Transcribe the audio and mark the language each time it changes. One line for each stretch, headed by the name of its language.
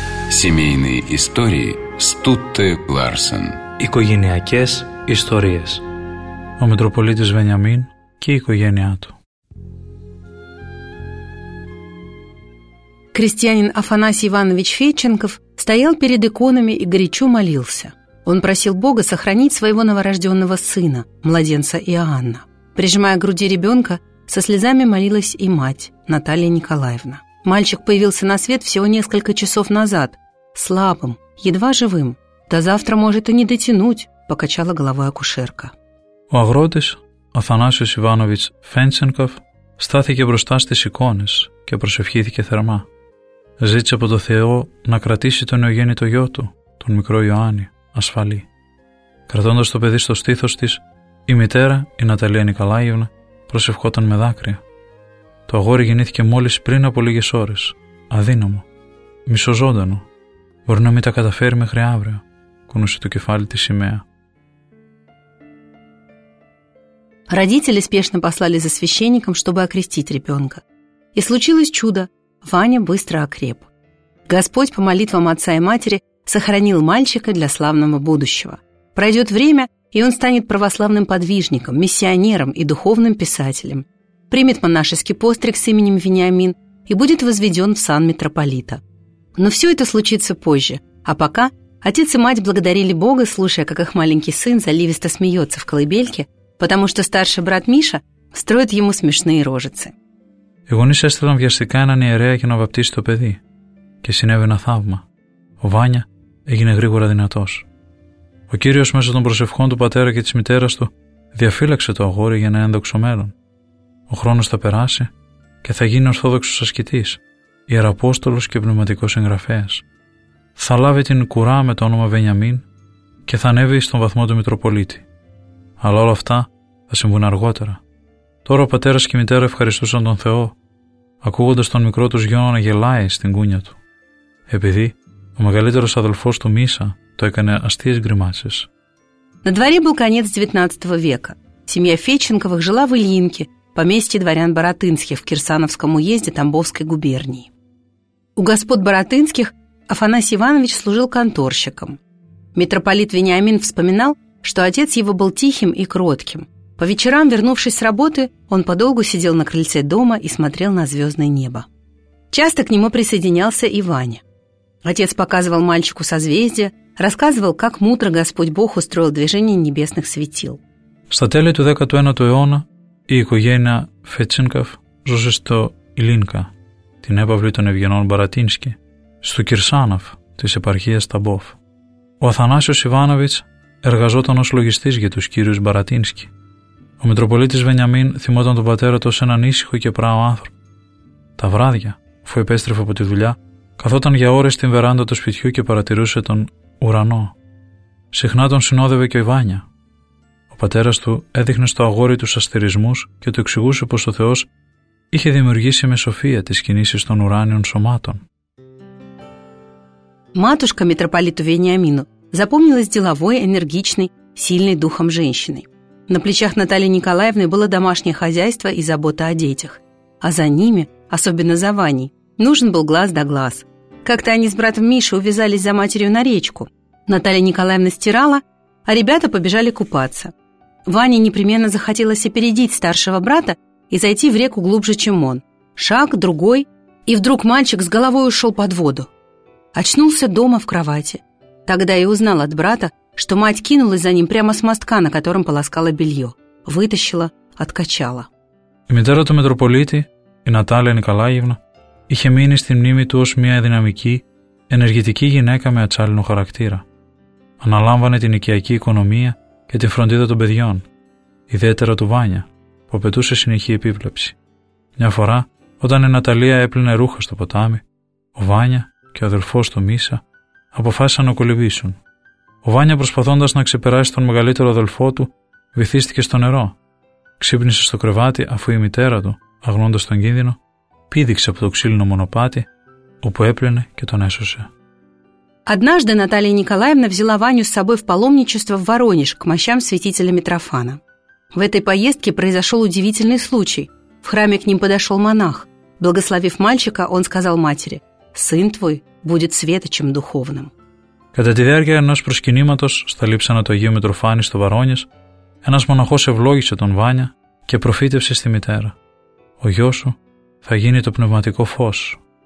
Russian: Семейные истории Стутте Ларсен.
Greek: Οικογενειακές ιστορίες. Ο Μητροπολίτης Βενιαμίν και η οικογένειά του.
Russian: Крестьянин Афанасий Иванович Фетченков стоял перед иконами и горячо молился. Он просил Бога сохранить своего новорожденного сына, младенца Иоанна. Прижимая к груди ребенка, со слезами молилась и мать, Наталья Николаевна. Мальчик появился на свет всего несколько часов назад, слабым, едва живым. «Да завтра может и не дотянуть», – покачала головой акушерка.
Greek: У агротис Афанасиус Иванович Фенченков стаθηκε μπροστά στις εικόνες και προσευχήθηκε θερμά. Ζήτησε από το Θεό να κρατήσει τον νεογέννητο γιο του, τον μικρό Ιωάννη, ασφαλή. Κρατώντας το παιδί στο στήθος της, η μητέρα, η Ναταλία Νικολάγευνα, προσευχόταν με δάκρυα. Το αγόρι γεννήθηκε μόλις πριν από λίγες ώρες, αδύναμο, μισοζώντανο. «Μπορεί να μην τα καταφέρει μέχρι αύριο», κουνούσε το κεφάλι της σημαία.
Russian: Родители спешно послали за священником, чтобы окрестить ребенка. И случилось чудо. Ваня быстро окреп. Господь по молитвам отца и матери сохранил мальчика для славного будущего. Пройдет время, и он станет православным подвижником, миссионером и духовным писателем. Примет монашеский постриг с именем Вениамин и будет возведен в сан митрополита. Но все это случится позже. А пока отец и мать благодарили Бога, слушая, как их маленький сын заливисто смеется в колыбельке, потому что старший брат Миша строит ему смешные рожицы.
Greek: Οι γονείς έστειλαν βιαστικά έναν ιερέα για να βαπτίσει το παιδί. Και συνέβη ένα θαύμα. Ο Βάνια έγινε γρήγορα δυνατός. Ο Κύριος μέσω των προσευχών του πατέρα και της μητέρας του διαφύλαξε το αγόρι για ένα ένδοξο μέλλον. Ο χρόνος θα περάσει και θα γίνει ορθόδοξος ασκητής, ιεραπόστολος και πνευματικός εγγραφέας. Θα λάβει την κουρά με το όνομα Βενιαμίν και θα ανέβει στον βαθμό του Μητροπολίτη. Αλλά όλα αυτά θα συμβούν αργότερα. Τώρα ο πατέρας και η μητέρα ευχαριστούσαν τον Θεό, ακούγοντας τον μικρό τους γιο να γελάει στην κούνια του, επειδή ο μεγαλύτερος αδελφός του Μίσα το έκανε αστείες γκριμάσες.
Russian: На дворе был конец 19 века. Семья Фетченковых жила в Ильинке, поместье дворян Боротынских в Кирсановском уезде Тамбовской губернии. У господ Боротынских Афанасий Иванович служил конторщиком. Митрополит Вениамин вспоминал, что отец его был тихим и кротким. По вечерам, вернувшись с работы, он подолгу сидел на крыльце дома и смотрел на звездное небо. Часто к нему присоединялся и Ваня. Отец показывал мальчику созвездия, рассказывал, как мудро Господь Бог устроил движение небесных светил.
Greek: Στα τέλη του 19ου αιώνα, η οικογένεια Φετσίνκοφ ζούσε στο Ιλίνκα, την έπαυλη των Ευγενών Μπαρατίνσκι, στο Κυρσάνοφ της επαρχίας Ταμπόφ. Ο Αθανάσιος Ιβάνοβιτς εργαζόταν ως λογιστής για τους κύριους Μπαρατίνσκι. Ο Μητροπολίτης Βενιαμίν θυμόταν τον πατέρα του ως έναν ήσυχο και πράο άνθρωπο. Τα βράδια, αφού επέστρεφε από τη δουλειά, καθόταν για ώρες στην βεράντα του σπιτιού και παρατηρούσε τον ουρανό. Συχνά τον συνόδευε και ο Ιβάνια. Ο πατέρας του έδειχνε στο αγόρι τους αστερισμούς και του εξηγούσε πως ο Θεός είχε δημιουργήσει με σοφία τις κινήσεις των ουράνιων σωμάτων.
Russian: Μάτουσκα Μητροπολίτου Βениαμίνου запомнилась деловой, энергичной, сильной духом женщиной. На плечах Натальи Николаевны было домашнее хозяйство и забота о детях. А за ними, особенно за Ваней, нужен был глаз да глаз. Как-то они с братом Мишей увязались за матерью на речку. Наталья Николаевна стирала, а ребята побежали купаться. Ване непременно захотелось опередить старшего брата и зайти в реку глубже, чем он. Шаг, другой, и вдруг мальчик с головой ушел под воду. Очнулся дома в кровати. Тогда и узнал от брата, что мать кинулась за ним прямо с мостка, на котором полоскала белье. Вытащила, откачала.
Greek: Η μητέρα του Μητροπολίτη, η Νατάλια Νικολάγευνα, είχε μείνει στη μνήμη του ως μια δυναμική, ενεργητική γυναίκα με ατσάλινο χαρακτήρα. Αναλάμβανε την οικιακή οικονομία και την φροντίδα των παιδιών, ιδιαίτερα του Βάνια, που απαιτούσε συνεχή επίβλεψη. Μια φορά, όταν η Ναταλία έπλυνε ρούχα στο ποτάμι, ο Βάνια και ο αδελφός του Μίσα αποφάσισαν να κολυμπήσουν. Ο Βάνια, προσπαθώντας να ξεπεράσει τον μεγαλύτερο αδελφό του, βυθίστηκε στο νερό. Ξύπνησε στο κρεβάτι αφού η μητέρα του, αγνώντας τον κίνδυνο, πήδηξε από το ξύλινο μονοπάτι, όπου έπλαινε και τον έσωσε.
Russian: Однажды Наталья Николаевна взяла Ваню с собой в паломничество в Воронеж к мощам святителя Митрофана. В этой поездке произошел удивительный случай. В храме к ним подошел монах. Благословив мальчика, он сказал матери: «Сын твой будет светочем духовным».
Greek: Κατά τη διάρκεια ενός προσκυνήματος στα λείψανα του Αγίου Μητροφάνη στο Βαρόνιες, ένας μοναχός ευλόγησε τον Βάνια και προφήτευσε στη μητέρα: «Ο γιος σου θα γίνει το πνευματικό φως».